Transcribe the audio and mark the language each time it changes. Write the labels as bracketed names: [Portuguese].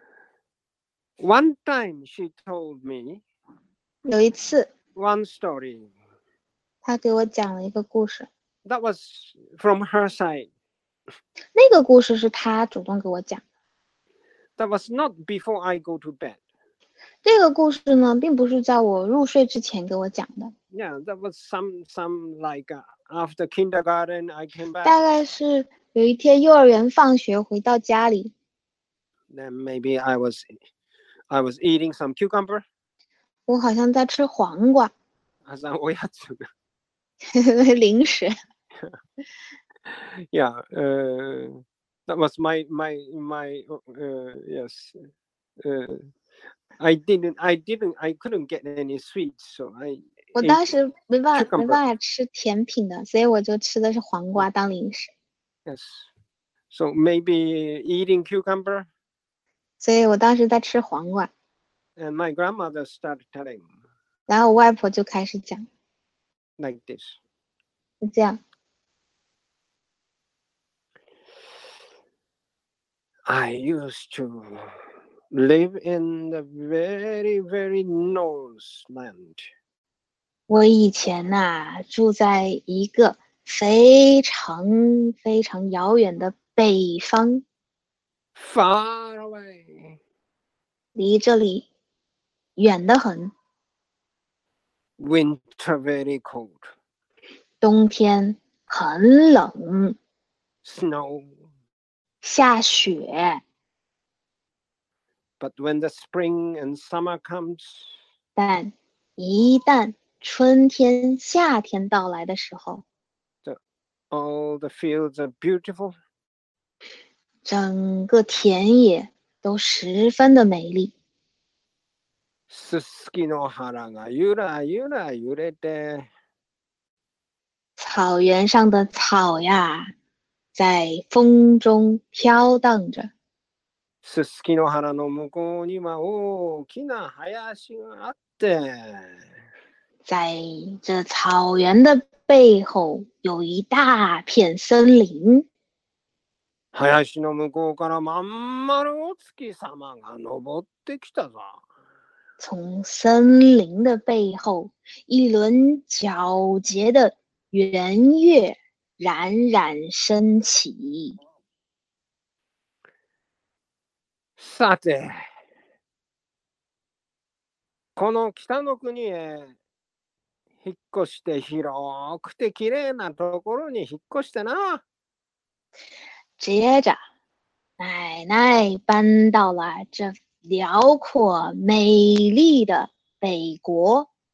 [English] Yeah. One time she told me. [Chinese] 有一次 [English] ，one story， [Chinese] 他给我讲了一个故事。 [English] That was from her side。 [Chinese] 那个故事是他主动给我讲的。 [English] That was not before I go to bed。 [Chinese] 这个故事呢，并不是在我入睡之前给我讲的。 [English] Yeah, that was some like after kindergarten I came back。 [Chinese] 大概是有一天幼儿园放学回到家里。 [English] Then maybe I was eating some cucumber。 [Chinese] 我好像在吃黄瓜，好像我也吃零食。 [English] Yeah, that was my yes. I couldn't get any sweets, so I. [Chinese] 我当时没办法吃甜品的，所以我就吃的是黄瓜当零食。 [English] Yes, so maybe eating cucumber. [Chinese] 所以我当时在吃黄瓜。 [English] And my grandmother started telling. [Chinese] 然后我外婆就开始讲。 [English] Like this. [Chinese] 这样。 [English] I used to live in the very, very north land. [Chinese] 我以前呐、啊，住在一个非常非常遥远的北方。 [English] Far away. [Chinese] 离这里。远得很。 [English] Winter very cold. [Chinese] 冬天很冷。 [English] Snow. [Chinese] 下雪。 [English] But when the spring and summer comes. [Chinese] 但一旦春天夏天到来的时候。 [English] All the fields are beautiful. [Chinese] 整个田野都十分的美丽。 [Japanese] ススキの花がゆらゆら揺れて [Chinese] 草原上的草呀在风中飘荡着。 [Japanese] ススキの花の向こうには大きな林があって。 [Chinese] 在这草原的背后有一大片森林。 [Japanese] 林の向こうからまん丸お月様が昇ってきたぞ。 [Chinese] 从森林的背后，一轮皎洁的圆月冉冉升起。 [Japanese] さて、この北の国へ引っ越して、広くて綺麗なところに引っ越してな。 [Chinese] 接着，奶奶搬到了这辽阔美丽的北国。